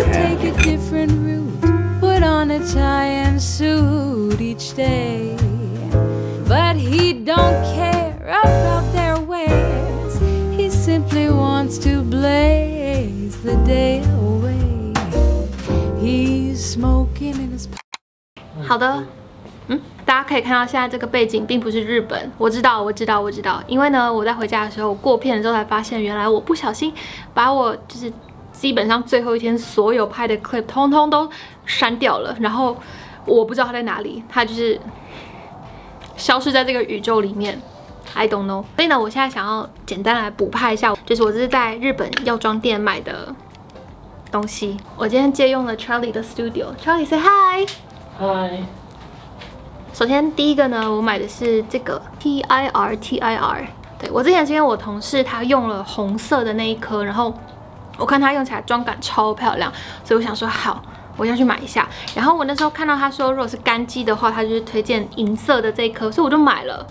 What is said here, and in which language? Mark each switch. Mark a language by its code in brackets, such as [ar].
[en] Take a different route, put on a tie and suit each day. But he don't care about their ways. He simply wants to blaze the day away. He's smoking in his. [zh] 好的，大家可以看到现在这个背景并不是日本。我知道，因为呢，我在回家的时候过片的时候才发现，原来我不小心把我就是。基本上最后一天所有拍的 clip 通通都删掉了，然后我不知道他在哪里，他就是消失在这个宇宙里面， I don't know。所以呢，我现在想要简单来补拍一下，就是我这是在日本药妆店买的东西。我今天借用了 Charlie 的 studio， Charlie say hi。 [en] Hi。 [zh] 首先第一个呢，我买的是这个 TIR。对，我之前是因为我同事他用了红色的那一颗，然后我看他用起来妆感超漂亮，所以我想说好，我要去买一下。然后我那时候看到他说，如果是干肌的话，他就是推荐银色的这一颗，所以我就买了。